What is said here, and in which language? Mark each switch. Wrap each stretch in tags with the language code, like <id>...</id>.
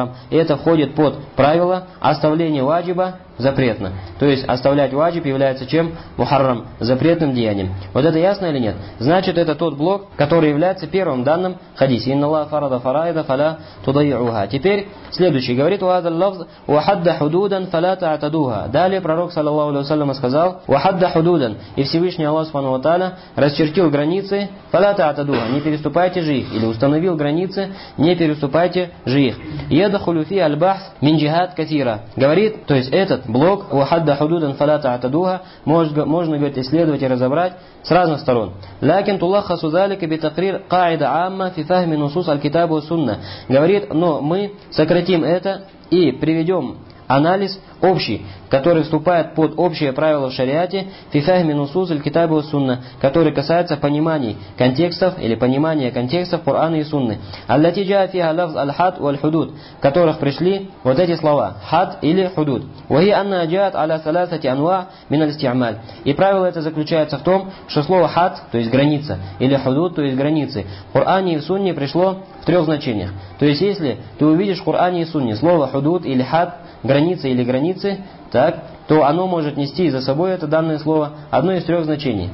<ru>И это входит под правило оставления ваджиба запретно. То есть оставлять ваджиб является чем? Мухаррам, запретным деянием. Вот это ясно или нет? Значит, это тот блок, который является первым данным хадисе.</ru> <ar>Инна Аллаха фарада фарайда фаля тудайуха.</ar> <ru>Теперь следующий.</ru> <ar>Говорит, وَهَذَا اللَّفْظُ وَحَدَّ حُدُودًا فَلَا تَعْتَدُوهَا.</ar> <ru>Далее пророк, саллаллаху алейхи ва саллям, сказал,</ru> <ar>وَحَدَّ حُدُودًا.</ar> <ru>И Всевышний Аллах, субхану ва тааля, расчертил границы,</ru> <ar>فَلَا تَعْتَدُوهَا.</ar> <ru>Не переступайте же их. Или установил границы, не переступайте же их.</ru> <ar>يَدْخُلُ فِي الْبَحْثُ مِنْ جِهَاتْ كَثِيرَةً.</ar> <ru>Говорит, то есть этот блок,</ru> <ar>وَحَدَّ حُدُودًا فَلَا تَعْتَدُوهَا,</ar> <ru>можно, говорит, исследовать и разобрать с разных сторон.</ru> <ar>لكن تلخص ذلك بتقرير قاعدة عامة في فهم نصوص الكتاب والسنة.</ar> <ru>Говорит, но мы сократим это и приведем анализ общий, который вступает под общее правило в шариате,</ru> <ar>في فهم نصوص الكتاب والسنة,</ar> <ru>который касается пониманий контекстов или понимания контекстов Корана и Сунны.</ru> <ar>التي جاء فيها لفظ الحد والحدود,</ar> <ru>в которых пришли вот эти слова</ru> <ar>حد или حدود. وهي أنها جاءت على ثلاثة أنواع من الاستعمال.</ar> <ru>И правило это заключается в том, что слово حد, то есть граница, или حدود, то есть границы, в Коране и в Сунне пришло в трех значениях. То есть если ты увидишь в Коране и Сунне слово حدود или حد, границы или границы, так, то оно может нести за собой это данное слово одно из трех значений.</ru>